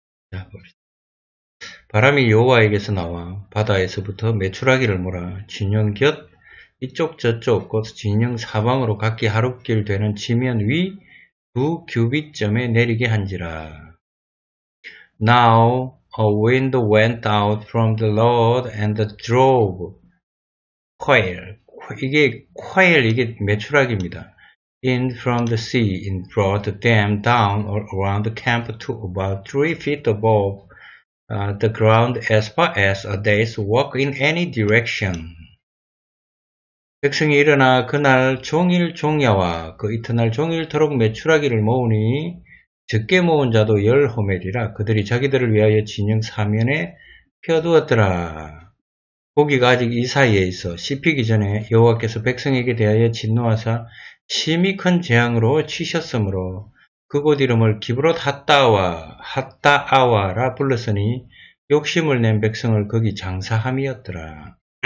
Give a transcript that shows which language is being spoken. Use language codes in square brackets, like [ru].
[ko] 자, 봅시다. 바람이 여호와에게서 나와 바다에서부터 메추라기를 몰아 진영 곁 이쪽 저쪽 곧 진영 사방으로 각기 하룻길 되는 지면 위 두 규빗점에 내리게 한지라. [en] Now a wind went out from the Lord and drove quail. [ko] 이게 quail, 이게 메추라기입니다. [en] In from the sea and brought them down all around the camp to about 3 feet above the ground as far as a day's walk in any direction. [ko] 백성이 일어나 그날 종일 종야와 그 이튿날 종일토록 메추라기를 모으니 적게 모은 자도 열 호멜이라 그들이 자기들을 위하여 진영 사면에 펴두었더라. 고기가 아직 이 사이에 있어 씹히기 전에 여호와께서 백성에게 대하여 진노하사 심히 큰 재앙으로 치셨으므로 그곳 이름을 기브롯 핫다와 핫다아와라 불렀으니 욕심을 낸 백성을 거기 장사함이었더라.